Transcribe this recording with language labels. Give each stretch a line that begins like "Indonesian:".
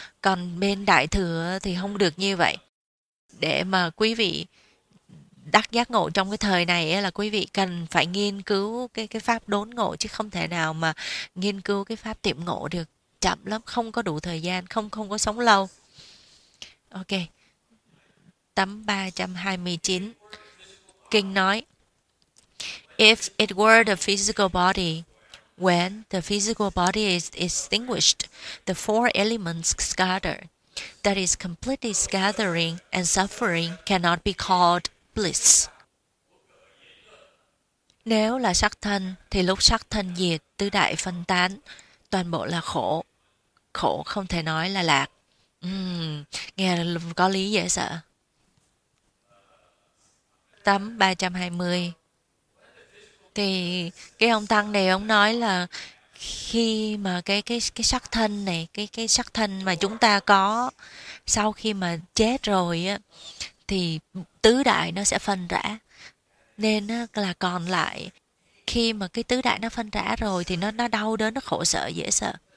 Vietnamese: Còn bên đại thừa thì không được như vậy. Để mà quý vị đắc giác ngộ trong cái thời này ấy, là quý vị cần phải nghiên cứu cái pháp đốn ngộ, chứ không thể nào mà nghiên cứu cái pháp tiệm ngộ được, chậm lắm, không có đủ thời gian, không không có sống lâu. Ok. Tấm 329. Kinh nói:
English: If it were the physical body, when the physical body is extinguished, the four elements scatter, that is completely scattering and suffering, cannot be called bliss.
Vietnamese: Nếu là sắc thân thì lúc sắc thân diệt, tứ đại phân tán, toàn bộ là khổ, khổ không thể nói là lạc. Nghe có lý dễ sợ. Tấm 320. Thì cái ông tăng này ông nói là khi mà cái sắc thân này, cái sắc thân mà chúng ta có sau khi mà chết rồi á, thì tứ đại nó sẽ phân rã, nên á, là còn lại khi mà cái tứ đại nó phân rã rồi thì nó đau đớn, nó khổ sở dễ sợ.